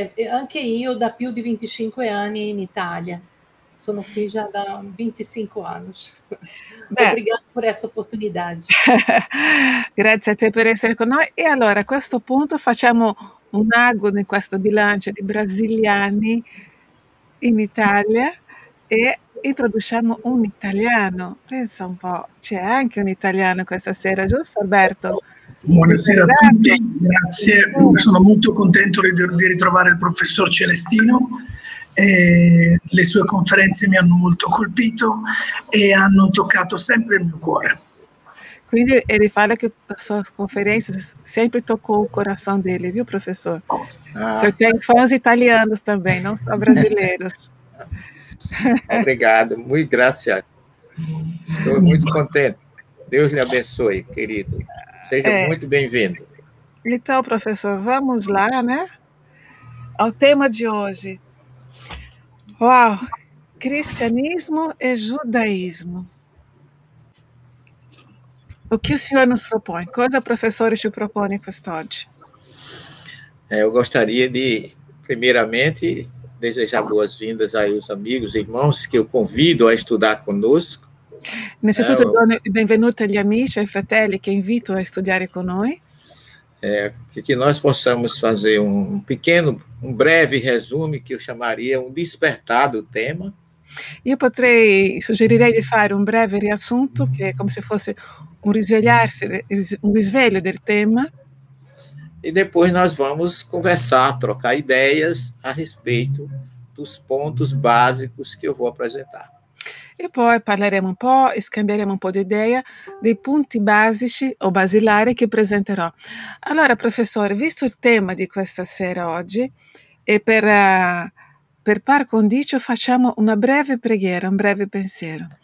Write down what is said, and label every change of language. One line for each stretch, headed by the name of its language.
Italian: Anche io da più di 25 anni in Italia. Sono qui già da 25 anos.
Portuguese: Obrigada por essa oportunidade.
Italian: Grazie a te per essere con noi. E allora, a questo punto, facciamo un ago in questo bilancio di brasiliani in Italia e introduciamo un italiano. Pensa un po', c'è anche un italiano questa sera, giusto Alberto? Buonasera a tutti, grazie. Sono molto contento di ritrovare il professor Celestino. Le sue conferenze mi hanno molto colpito e hanno toccato sempre il mio cuore. Quindi
Portuguese: ele fala que suas conferências sempre tocou o coração dele, viu, professor? Você tem fãs italianos também, não só brasileiros. Obrigado, muito graças. Estou muito contente. Deus lhe abençoe, querido. Seja muito bem-vindo. Então, professor, vamos lá, né? Ao tema de hoje. Uau! Cristianismo e judaísmo. O que o senhor nos propõe? Quais os professores te propõem
Italian: quest'oggi?
Portuguese: Eu gostaria de, primeiramente, desejar boas-vindas aí aos amigos e irmãos que eu convido a estudar conosco.
Italian: Innanzitutto, benvenuti gli amici e fratelli che invito a studiare con noi.
Portuguese: Que nós possamos fazer um breve resumo que eu chamaria um despertar do tema.
Italian: Io potrei suggerirei di fare un breve riassunto che è come se fosse un risvegliarsi, un risveglio del tema.
Portuguese: E depois nós vamos conversar, trocar ideias a respeito dos pontos básicos que eu vou apresentar.
Italian: E poi parleremo un po', scambieremo un po' di idea dei punti basici o basilari che presenterò. Allora, professore, visto il tema di questa sera oggi e per par condicio facciamo una breve preghiera, un breve pensiero.